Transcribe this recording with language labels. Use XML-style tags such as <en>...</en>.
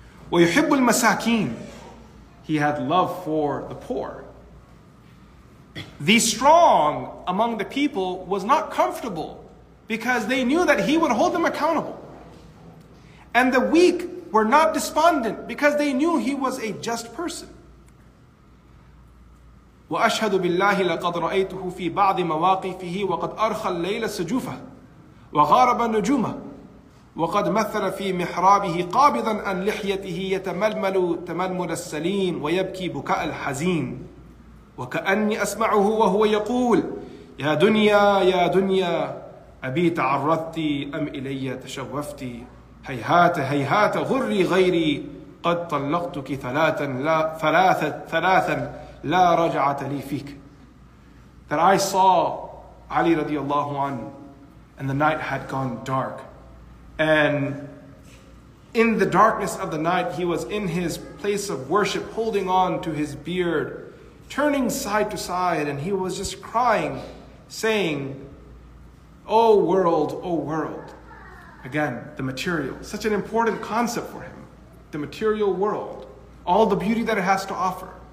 <ar>وَيُحِبُّ الْمَسَاكِينِ</ar> <en>He had love for the poor. The strong among the people was not comfortable because they knew that he would hold them accountable. And the weak were not despondent because they knew he was a just person.</en> <ar>وَأَشْهَدُ بِاللَّهِ لَقَدْ رَأَيْتُهُ فِي بَعْضِ مَوَاقِفِهِ وَقَدْ أَرْخَى اللَّيْلَ سُجُوفَهُ وَغَارَبَ النُّجُومَهُ وَقَدْ مَثَّلَ فِي مِحْرَابِهِ قَابِضًا أَنْ لِحْيَتِهِ يَتَمَلْمَلُ تَمَلْمُلَ السَّلِيمِ وَيَبْكِي بُكَاءَ الْحَزِينِ وَكَأَنِّي أَسْمَعُهُ وَهُوَ يَقُولُ يَا دُنْيَا يَا دُنْيَا أَبِي تَعَرَّضْتِ أَمْ إِلَيَّ تَشَوَّفْتِ هَيْهَاتَ هَيْهَاتَ غُرِّي غَيْرِي قَدْ طَلَّقْتُكِ ثَلَاثًا لَا رَجْعَةَ لِي فِيكَ</ar> <en>That I saw Ali radiallahu anhu and the night had gone dark. And in the darkness of the night, he was in his place of worship, holding on to his beard, turning side to side, and he was just crying, saying, Oh world, oh world. Again, the material, such an important concept for him. The material world, all the beauty that it has to offer.</en>